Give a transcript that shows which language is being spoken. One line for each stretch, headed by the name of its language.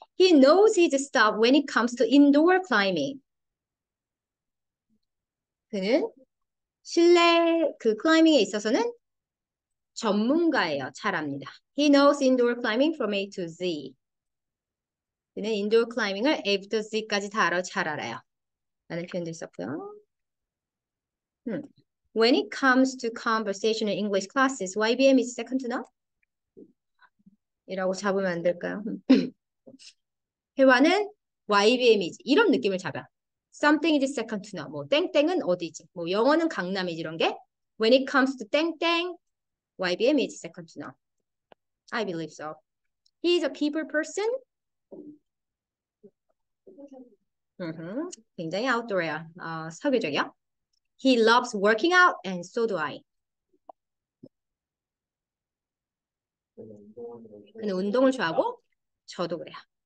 English: He knows his stuff when it comes to indoor climbing.
Korean: 그는 실내 그 클라이밍에 있어서는 전문가예요.
English: 잘 압니다. He knows indoor climbing from A to Z.
Korean: 그는 인도어 클라이밍을 A부터 Z까지 다 알아, 잘 알아요. 라는 표현도 있었고요.
English: When it comes to conversational English classes, YBM is second to none?
Korean: 이라고 잡으면 안 될까요? 회화는 YBM이지. 이런 느낌을 잡아. Something is second to none. 뭐 땡땡은 어디지? 뭐 영어는 강남이지 이런 게.
English: When it comes to 땡땡, YBM is second to none. I believe so. He is a people person.
Korean: 굉장히 아웃도어야. 사교적이야.
English: He loves working out and so do I.
Korean: 그는 운동을 좋아하고 저도 그래요.